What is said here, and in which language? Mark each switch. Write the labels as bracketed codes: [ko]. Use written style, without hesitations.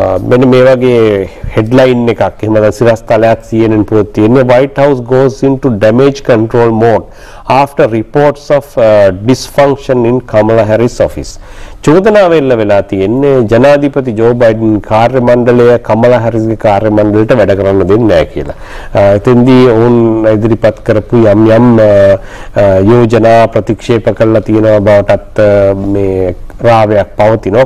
[si] මෙන්න මේ වගේ හෙඩ්ලයින් එකක් එහෙම සිරස්තලයක් CNN පුරේ තියෙනවා. [en] White House goes into damage control mode after reports of dysfunction in Kamala Harris office. [si] චෝදනාව එල්ල වෙලා තියෙන්නේ ජනාධිපති ජෝ බයිඩන් කාර්ය මණ්ඩලය කමලා හැරිස්ගේ කාර්ය මණ්ඩලයට වැඩ කරන්න දෙන්නේ නැහැ කියලා. එතෙන්දී ඔවුන් ඉදිරිපත් කරපු යම් යම් යෝජනා ප්‍රතික්ෂේප කළා තියෙනවා බවටත් මේ රාවයක් පවතිනවා.